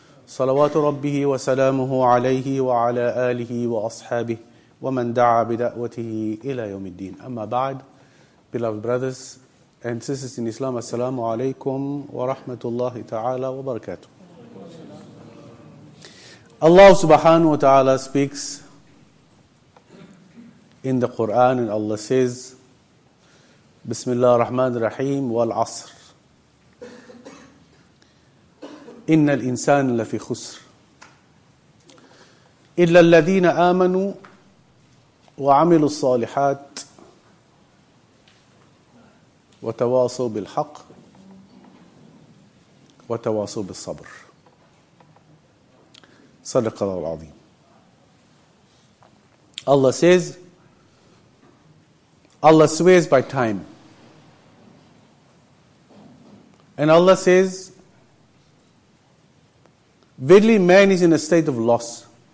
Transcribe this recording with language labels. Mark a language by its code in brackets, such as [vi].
[ar] صلوات ربه وسلامه عليه وعلى آله وأصحابه ومن دعا بدعوته إلى يوم الدين. أما بعد, [en] beloved brothers and sisters in Islam, [ar] السلام عليكم ورحمة الله تعالى وبركاته. [en] Allah subhanahu wa ta'ala speaks in the Quran, and Allah says, [ar] بسم الله الرحمن الرحيم والعصر. إن الإنسان لفي خسر إلا الذين آمنوا وعملوا الصالحات وتواصوا بالحق وتواصوا بالصبر صدق الله العظيم. [en] Allah says, Allah sways by time, and Allah says, verily, man is in a state of loss,